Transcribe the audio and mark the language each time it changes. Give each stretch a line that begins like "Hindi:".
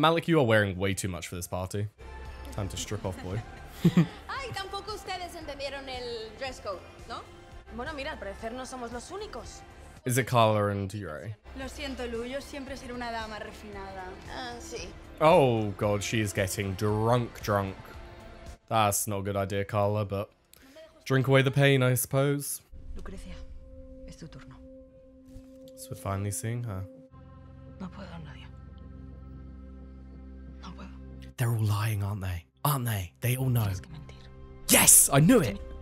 English: Malik, you are wearing way too much for this party. Time to strip off, boy.
Spanish: Ay, tampoco ustedes entendieron el dress code, ¿no? Bueno, mira, al parecer no somos los únicos.
English: Is it Carla and Yuri?
Spanish: Lo siento, Lu, yo siempre seré una dama refinada. Sí.
English: Oh, God, she is getting drunk. That's not a good idea, Carla, but drink away the pain, I suppose.
Spanish: Lucrecia, es tu turno.
English: So we're finally seeing her.
Spanish: No puedo, no.
English: They're all lying, aren't they? Aren't they? They all know. Yes, I knew it.